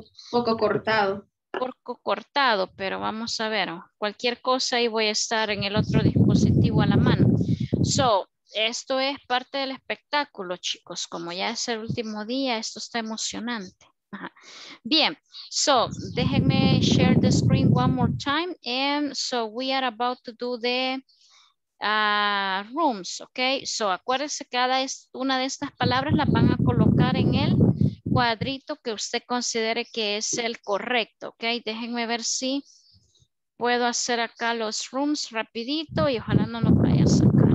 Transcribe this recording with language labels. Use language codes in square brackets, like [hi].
[es] poco cortado. Poco cortado, pero vamos a ver. Cualquier cosa ahí voy a estar en el otro dispositivo a la mano. So, esto es parte del espectáculo, chicos. Como ya es el último día, esto está emocionante. Ajá. Bien, [en] so, [es] déjenme [en] share the screen one more time. And so, we are about to do the rooms, ok. [es] So, acuérdense, cada una de estas palabras la van a colocar en el cuadrito que usted considere que es el correcto, ok. Déjenme ver si puedo hacer acá los rooms rapidito y ojalá no nos vaya a sacar.